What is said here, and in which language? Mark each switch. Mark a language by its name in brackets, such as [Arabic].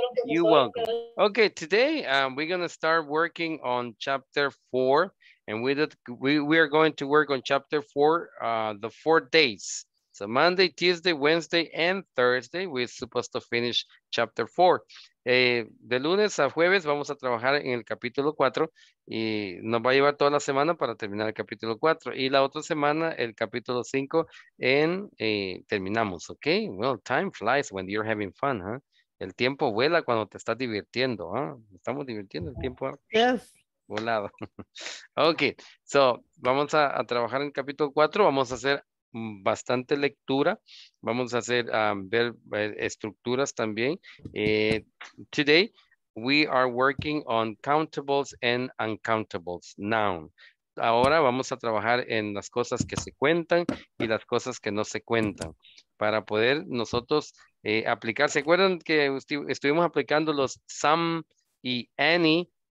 [English] You're welcome. Okay, today we're going to start working on chapter 4. And we are going to work on chapter 4, the 4 days. So Monday, Tuesday, Wednesday, and Thursday, we're supposed to finish chapter 4. [Spanish] De lunes a jueves vamos a trabajar en el capítulo 4 y nos va a llevar toda la semana para terminar el capítulo 4. Y la otra semana, el capítulo 5, terminamos, okay? [English] Well, time flies when you're having fun, huh? [Spanish] El tiempo vuela cuando te estás divirtiendo, ¿eh? Estamos divirtiendo el tiempo. [English] Yes. [Spanish] Volado. [English] Okay, so [Spanish] vamos a trabajar en el capítulo 4, vamos a hacer bastante lectura, vamos a hacer ver estructuras también. [English] Today we are working on countables and uncountables, noun. [Spanish] Ahora vamos a trabajar en las cosas que se cuentan y las cosas que no se cuentan para poder nosotros aplicar. ¿Se acuerdan que estuvimos aplicando los some y any?